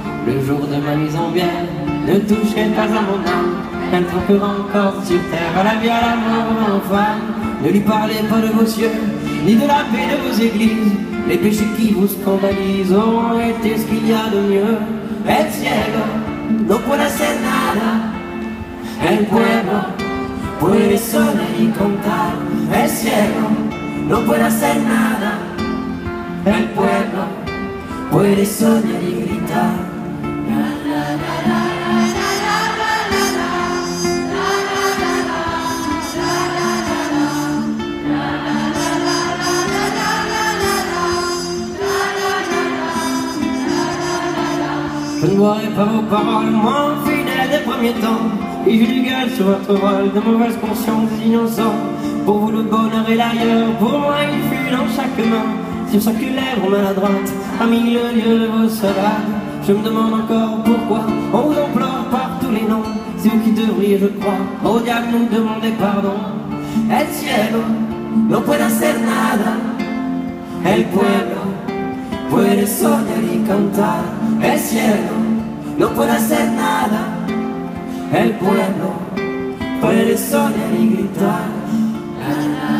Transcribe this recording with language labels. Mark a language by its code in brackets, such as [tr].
[fr] Le jour de ma mise en bière, ne touchez pas à mon âme. Elle trempera encore sur terre à la vie, à l'amour, aux enfants. Ne lui parlez pas de vos cieux, ni de la paix de vos églises. Les péchés qui vous scandalisent ont été ce qu'il y a de mieux. [es] El cielo no puede hacer nada, el pueblo puede soñar y contar. El cielo no puede hacer nada, el pueblo puede soñar y gritar. [fr] Je ne boirai pas vos paroles, moins fidèles des premiers temps. Et je lui gueule sur votre rôle de mauvaise conscience innocent. Pour vous le bonheur et l'ailleurs, pour moi il fut dans chaque main. Sur chaque lèvre maladroite, à mille lieux de vos salades. Je me demande encore pourquoi on vous implore par tous les noms. C'est vous qui devriez, je crois, au diable nous demander pardon. [es] El cielo no puede hacer nada, el pueblo puede soñar y cantar. El cielo no puede hacer nada, el pueblo puede soñar y gritar.